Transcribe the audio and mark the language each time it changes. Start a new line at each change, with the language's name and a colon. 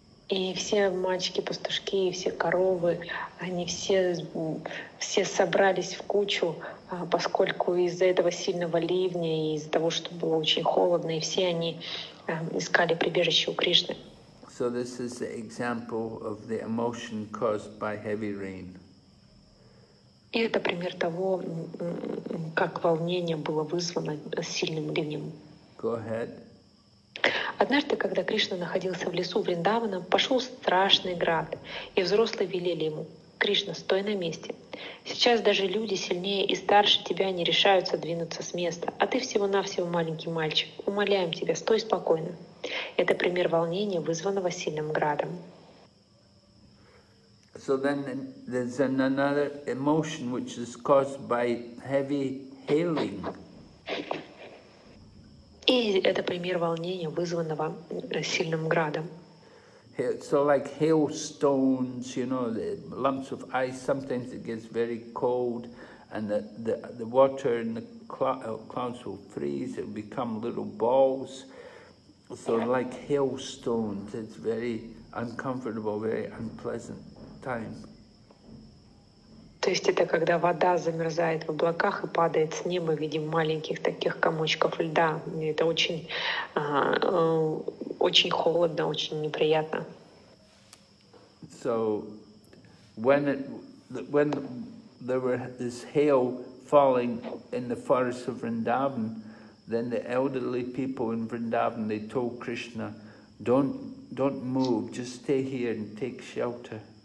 Russian: И все мальчики, пастушки, и все коровы, они все собрались в кучу, поскольку из-за этого сильного ливня и из-за того, что было очень холодно, и все они искали прибежище у Кришны.
English: So this is the example of the emotion caused by heavy rain.
Russian: И это пример того, как волнение было вызвано сильным ливнем.
English: Go ahead.
Russian: Однажды, когда Кришна находился в лесу Вриндавана, пошел страшный град, и взрослые велели ему: «Кришна, стой на месте. Сейчас даже люди сильнее и старше тебя не решаются двинуться с места, а ты всего-навсего маленький мальчик. Умоляем тебя, стой спокойно». Это пример волнения, вызванного сильным градом.
English: So then there's another emotion which is caused by heavy hailing.
Russian: И это пример волнения, вызванного сильным градом.
English: So like hailstones, you know, the lumps of ice, sometimes it gets very cold and the water in the clouds will freeze and become little balls. So like hailstones, it's very uncomfortable, very unpleasant time.
Russian: То есть это когда вода замерзает в облаках и падает с неба в виде маленьких таких комочков льда. Это очень холодно, очень неприятно.
English: So when there were this hail falling in the forest of Vrindavan, then the elderly people in Vrindavan, they told Krishna, don't move, just stay here and take shelter.